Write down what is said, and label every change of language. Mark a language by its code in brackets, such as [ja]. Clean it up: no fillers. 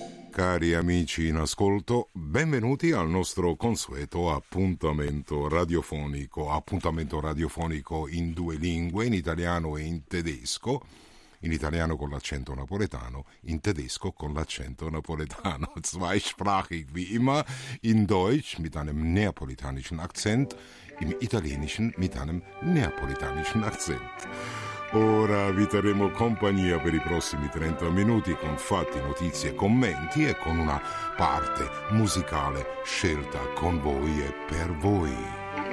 [it] Cari amici in ascolto, benvenuti al nostro consueto appuntamento radiofonico in due lingue, in italiano e in tedesco. In italiano con l'accento napoletano, in tedesco con l'accento napoletano. [de] Zweisprachig wie immer, in Deutsch mit einem neapolitanischen Akzent, im Italienischen mit einem neapolitanischen Akzent. [it] Ora vi terremo compagnia per i prossimi 30 minuti con fatti, notizie, commenti e con una parte musicale scelta con voi e per voi.